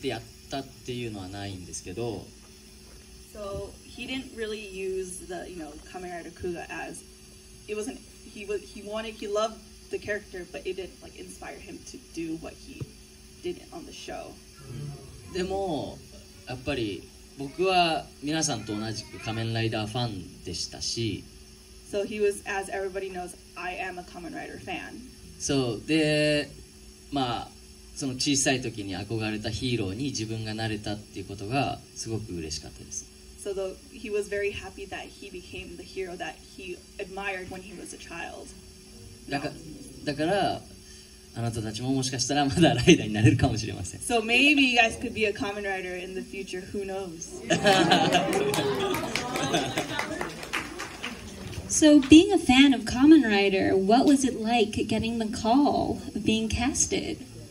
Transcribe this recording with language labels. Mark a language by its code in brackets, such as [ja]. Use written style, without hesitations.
[ja] クーガのそのどこのどういうものをインスパイア受けてやったっていうのはないんですけど。 [en] So he didn't really use the, you know, Kamen Rider Kuga as it wasn't he loved the character, but it didn't like inspire him to do what he did on the show. [ja] でもやっぱり僕は皆さんと同じく仮面ライダーファンでしたし [en] So he was, as everybody knows, I am a Kamen Rider fan. [ja] そうで、まあその小さい時に憧れたヒーローに自分がなれたっていうことがすごく嬉しかったです。 [en] So the, he was very happy that he became the hero that he admired when he was a child. [ja] だからあなたたちももしかしたらまだライダーになれるかもしれません。 [en] So maybe you guys could be a Kamen Rider in the future. Who knows? So being a fan of Kamen Rider, what was it like getting the call of being casted?